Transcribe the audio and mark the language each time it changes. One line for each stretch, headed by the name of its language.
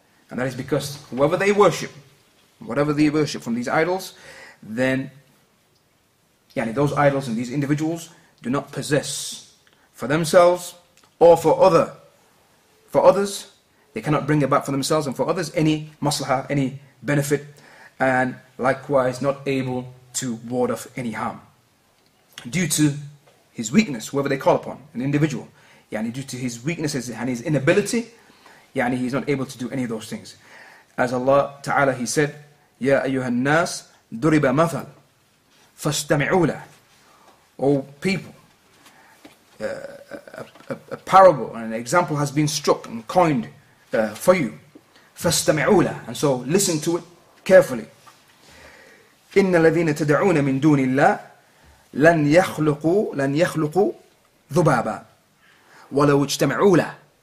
English: And that is because whoever they worship, whatever they worship from these idols, then yani those idols and these individuals do not possess for themselves or for others, they cannot bring about for themselves and for others any maslaha, any benefit, and likewise not able to ward off any harm. Due to his weakness, whoever they call upon, an individual, yani due to his weaknesses and his inability, yani he's not able to do any of those things. As Allah Ta'ala, He said,
Arabic: يَا أَيُّهَا النَّاسِ دُرِبَ مَثَلْ فَاسْتَمِعُوا لَهُ.
English: O people, a parable and an example has been struck and coined for you.
Arabic: فَاسْتَمِعُوا لَهُ.
English: And so listen to it carefully.
Arabic: إِنَّ الَّذِينَ تَدْعُونَ مِن دُونِ اللَّهِ لَنْ يَخْلُقُوا ذُبَابًا وَلَوْ اجْتَمِعُوا لَهُ.